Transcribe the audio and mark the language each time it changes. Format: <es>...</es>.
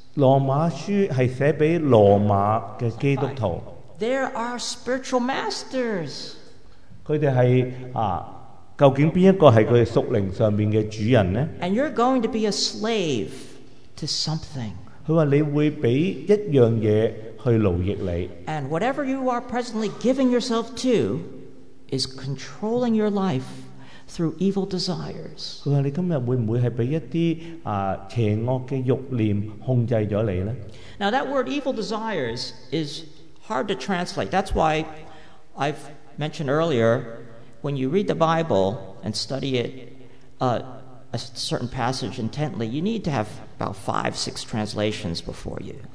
<zh>罗马书是写给罗马的基督徒。</zh> <en>There are spiritual masters.</en> <zh>他们是究竟哪一个是他们属灵上面的主人呢？</zh> <en>And you're going to be a slave to something.</en> <zh>他说你会被一样东西去奴役你。</zh> <en>And whatever you are presently giving yourself to is controlling your life through evil desires.</en> <zh>他说你今天会不会被一些邪恶的欲念控制了你呢？</zh> <en>Now that word evil desires is hard to translate. That's why I've mentioned earlier, when you read the Bible and study it, a certain passage intently, you need to have about 5-6 translations before you.</en>